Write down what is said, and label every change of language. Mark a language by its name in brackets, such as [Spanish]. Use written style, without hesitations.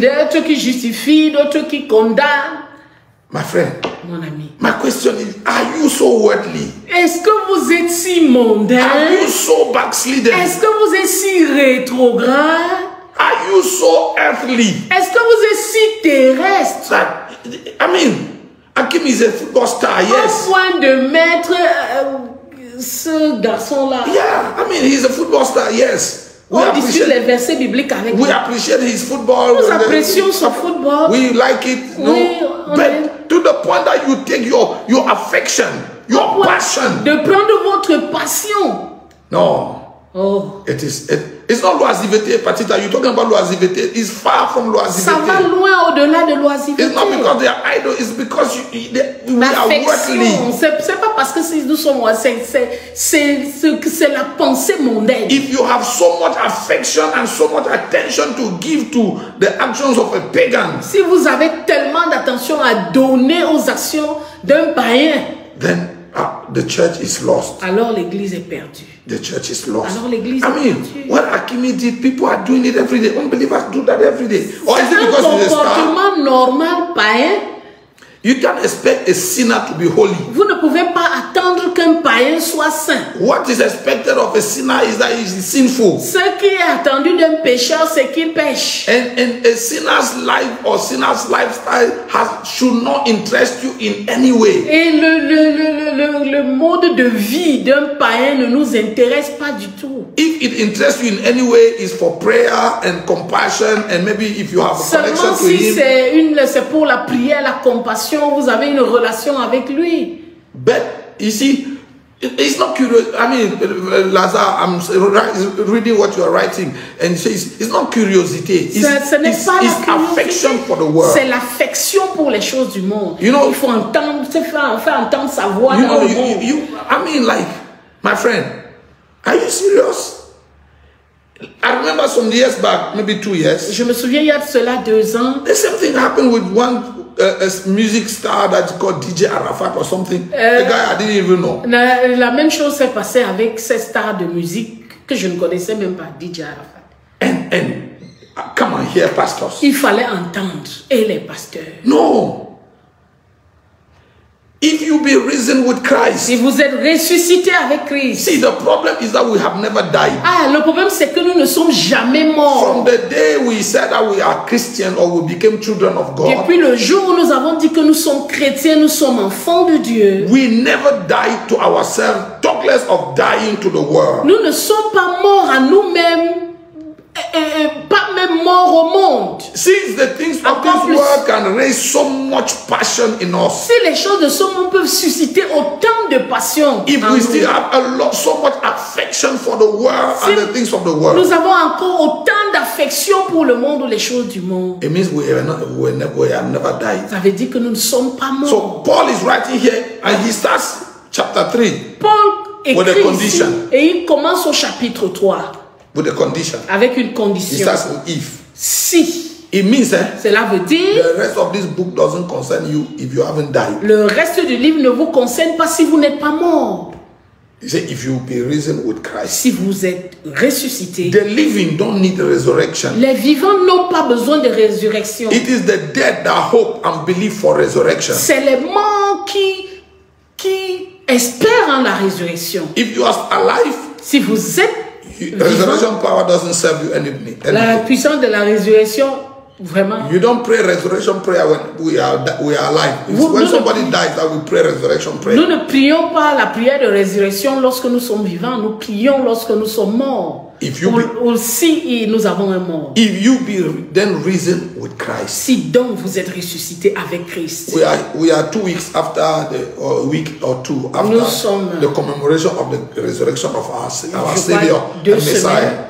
[French] D'autres qui justifient, d'autres qui condamnent. [English] My friend, [French] mon ami, [English] my question is, are you so worldly? [French] Est-ce que vous êtes si mondain? [English] Are you so backslidden? [French] Est-ce que vous êtes si rétrograde? [English] Are you so earthly? [French] Est-ce que vous êtes si terrestre? [English] That, I mean, Akimi is a football star, yes. [French] Au point de mettre ce garçon-là. [English] Yeah, I mean, he's a football star, yes. We appreciate [French] les versets bibliques avec lui. [English] We appreciate his football. [French] Nous apprécions son football. [English] We like it. [French] Oui, [English] no, but to the point that you take your affection, your passion. [French] De prendre votre passion. [English] No. Oh. It's not loisiveté, Patita. You're talking about loisiveté. It's far from loisiveté. [French] Ça va loin au-delà de loisiveté. [English] It's not because they are idle. It's because we are worldly. [French] C'est pas parce que nous sommes loisiveté. C'est la pensée mondaine. [English] If you have so much affection and so much attention to give to the actions of a pagan. [French] Si vous avez tellement d'attention à donner aux actions d'un païen. [English] Then the church is lost. [French] Alors l'église est perdue. [English] The church is lost. [French] Alors, l'église [English] I mean, [French] perdue. [English] What Akimi did, people are doing it every day. Unbelievers do that every day. Or is it because he's a star? [French] C'est un comportement normal, païen. [English] You can't expect a sinner to be holy. [French] Vous ne pouvez pas attendre qu'un païen soit saint. [English] What is expected of a sinner is that he is sinful. [French] Ce qui est attendu d'un pécheur, c'est qu'il pêche. [English] And a sinner's life or sinner's lifestyle should not interest you in any way. [French] Et le mode de vie d'un païen ne nous intéresse pas du tout. [English] If it interests you in any way, it's for prayer and compassion, and maybe if you have a [French] seulement [English] connection [French] si [English] to him. [French] C'est pour la prière, la compassion. Vous avez une relation avec lui. [English] But you see, He's not curious. I mean, Lazare, I'm reading what you are writing, and he says it's not curiosity. It's affection for the world. [French] C'est l'affection pour les choses du monde. [English] You know, [French] il faut entendre, c'est faire entendre sa voix dans le monde. [English] I mean, like, my friend, are you serious? I remember some years back, maybe 2 years. [French] Je me souviens il y a de cela 2 ans. [English] The same thing happened with one a music star that's called DJ Arafat or something. The guy I didn't even know. [French] La même chose s'est passée avec cette star de musique que je ne connaissais même pas, DJ Arafat. [English] And come on here, pastors. [French] Il fallait entendre et les pasteurs. [English] No. If you be risen with Christ, [French] si vous êtes ressuscité avec Christ, [English] see the problem is that we have never died. [French] Ah, le problème c'est que nous ne sommes jamais morts. [English] From the day we said that we are Christian or we became children of God, [French] depuis le jour où nous avons dit que nous sommes chrétiens, nous sommes enfants de Dieu, [English] we never died to ourselves, talk less of dying to the world. [French] Nous ne sommes pas morts à nous-mêmes. Pas même mort au monde. [English] Since the things of this world can raise so much passion in us. [French] Si les choses de ce monde peuvent susciter autant de passion. [English] If we still have a lot, so much affection for the world and the things of the world. [French] Nous avons encore autant d'affection pour le monde ou les choses du monde. [English] It means we have never died. [French] Ça veut dire que nous ne sommes pas morts. [English] So Paul is writing here and he starts chapter 3. Paul [French] écrit [English] with a condition. [French] Ici, et il commence au chapitre 3. [English] With a condition. [French] Avec une condition. [English] It starts with if. [French] Si. [English] It means. [French] Cela veut dire. [English] The rest of this book doesn't concern you if you haven't died. [French] Le reste du livre ne vous concerne pas si vous n'êtes pas mort. [English] He said, if you be risen with Christ. [French] Si vous êtes ressuscité. [English] The living don't need the resurrection. [French] Les vivants n'ont pas besoin de résurrection. [English] It is the dead that hope and believe for resurrection. [French] C'est les morts qui espèrent en la résurrection. [English] If you are alive. [French] Si vous êtes. [English] The resurrection power doesn't serve you anything. [French] La puissance de la résurrection, vraiment. [English] You don't pray resurrection prayer when we are alive. It's when somebody dies that we pray resurrection prayer. [French] Nous ne prions pas la prière de résurrection lorsque nous sommes vivants. Nous prions lorsque nous sommes morts. [English] If you [French] nous avons un mort. [English] If you be then risen with Christ. [French] Si donc vous êtes ressuscité avec Christ. [English] We are 2 weeks after the week or two after the commemoration of the resurrection of our Savior and Messiah.